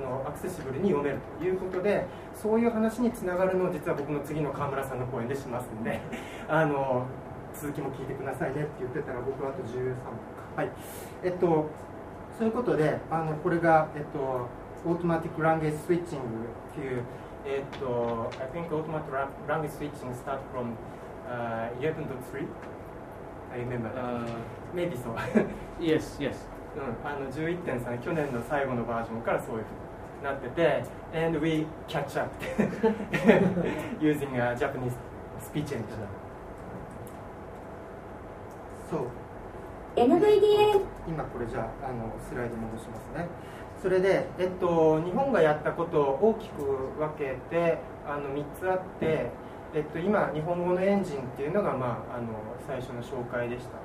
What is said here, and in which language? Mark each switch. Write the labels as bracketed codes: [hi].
[ja] クセシブルに読めるということで、そういう話につながるのを実は僕の次の川村さんの講演でしますんで続きも聞いてくださいねって言ってたら僕はあと13分か、はい、そういうことでこれが、オートマティックランゲージスイッチングっていう、 [en] I think automatic language switching start from 11.3 I remember maybe so yes yes、 [ja] うん、11.3 去年の最後のバージョンからそういうふうになってて [en] and we catch up using a Japanese speech engine NVDA [ja] 今これじゃあスライド戻しますね。それで、日本がやったことを大きく分けて3つあって、今日本語のエンジンっていうのが、まあ、最初の紹介でした。